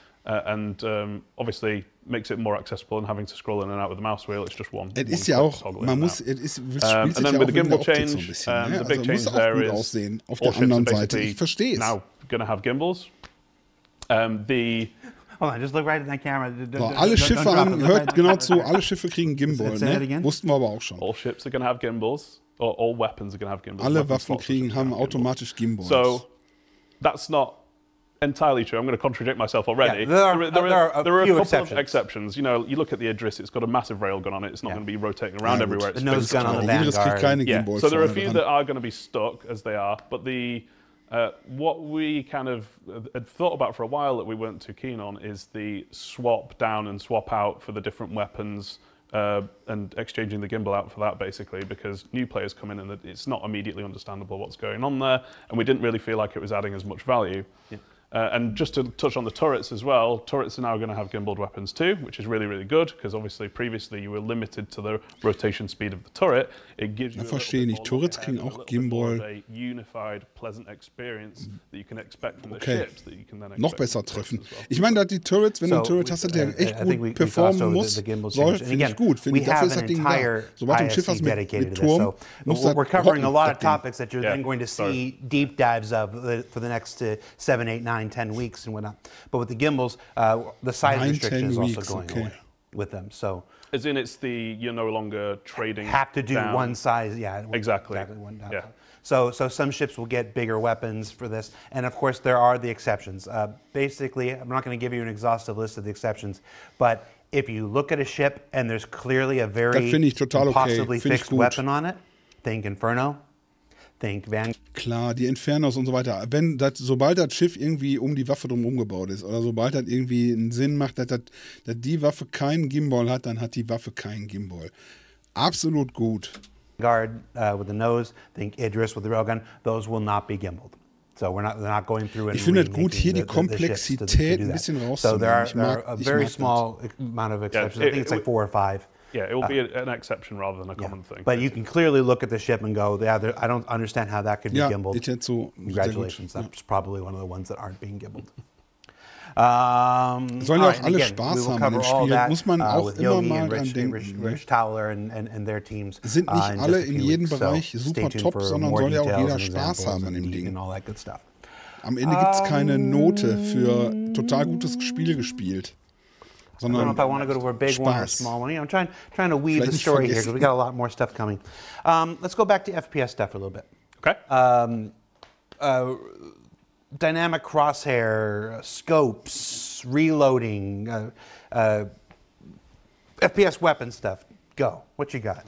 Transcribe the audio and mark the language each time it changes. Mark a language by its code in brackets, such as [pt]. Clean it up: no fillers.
[en] And obviously makes it more accessible than having to scroll in and out with the mouse wheel. It's just one. It is [de] ja auch, man muss, [en] it is, and then with the gimbal change, the big change there is all ships are basically now going to have gimbals. The hold on, just look right in that camera. [de] Alle Schiffe haben, hört genau zu, alle Schiffe kriegen Gimbal. Wussten wir aber auch schon. [en] All ships are going to have gimbals, or all weapons are going to have gimbals. [de] Alle Waffen kriegen, haben automatisch gimbals. [en] So that's not entirely true. I'm going to contradict myself already. Yeah, there are a few couple of exceptions. You know, you look at the Idris, it's got a massive rail gun on it. It's not going to be rotating around everywhere. The nose gun on the Vanguard. So there are a few that are going to be stuck as they are, but the what we kind of had thought about for a while that we weren't too keen on is the swap down and swap out for the different weapons and exchanging the gimbal out for that, basically, because new players come in and it's not immediately understandable what's going on there, and we didn't really feel like it was adding as much value. Yeah. And just to touch on the turrets as well, turrets are now going to have gimbaled weapons too, which is really, really good, because obviously previously you were limited to the rotation speed of the turret. It gives you a unified, pleasant experience that you can expect from the ships that you can then [de] noch besser treffen. Ich meine, da die turrets, wenn du einen turret hast, der echt gut performen muss, soll, finde ich gut. [en] We have an entire ISC dedicated to this, so we're covering a lot of topics that you're then going to see deep dives of for the next 7, 8, 9, 10 weeks and whatnot. But with the gimbals, the size restriction is also going away with them. So, as in, it's the you're no longer trading. Have to do down. One size, yeah. Exactly. One down. Yeah. So some ships will get bigger weapons for this. And of course, there are the exceptions. Basically, I'm not going to give you an exhaustive list of the exceptions, but if you look at a ship and there's clearly a very possibly fixed weapon on it, think Inferno. [de] Klar, die Infernos und so weiter. Wenn das, sobald das Schiff irgendwie um die Waffe drum umgebaut ist oder sobald das irgendwie einen Sinn macht, dass die Waffe keinen Gimbal hat, dann hat die Waffe keinen Gimbal. Absolut gut. [en] Guard with the nose, think Idris with the railgun, those will not be gimbaled. So we're not going through and [de] ich finde gut hier die Komplexität ein bisschen rauszunehmen. [en] So there are a very small amount of exceptions. Yeah, I think it's like 4 or 5. Yeah, it will be an exception rather than a common thing. But you can clearly look at the ship and go, yeah, I don't understand how that could be gimbaled. Yeah, it's so congratulations. That's probably one of the ones that aren't being gimbaled. [de] Sollen auch alle Spaß haben im Spiel. Muss man auch immer mal dran denken. [en] Rich Towler and their teams. [de] Sind nicht alle in jedem Bereich super top, sondern soll ja auch jeder Spaß haben im Ding. Am Ende gibt es keine Note für total gutes Spiel gespielt. [en] I don't know if I want to go to a big one or a small one. You know, I'm trying to weave the story here because we got a lot more stuff coming. Let's go back to FPS stuff a little bit. Okay. Dynamic crosshair, scopes, reloading, FPS weapon stuff. Go. What you got?